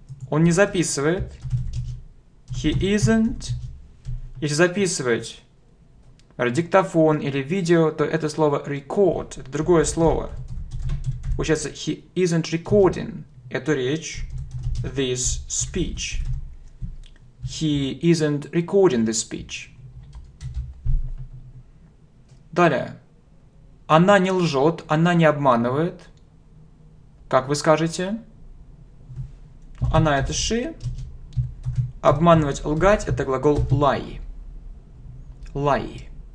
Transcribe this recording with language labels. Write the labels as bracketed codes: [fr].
[ru] Он не записывает. [en] He isn't. [ru] Если записывать диктофон или видео, то это слово record. Это другое слово. Получается, [en] he isn't recording [ru] эту речь. [en] This speech. He isn't recording this speech. [ru] Далее. Она не лжет, она не обманывает. Как вы скажете? Она — это she. Обманывать, лгать — это глагол lie. [en] Lie.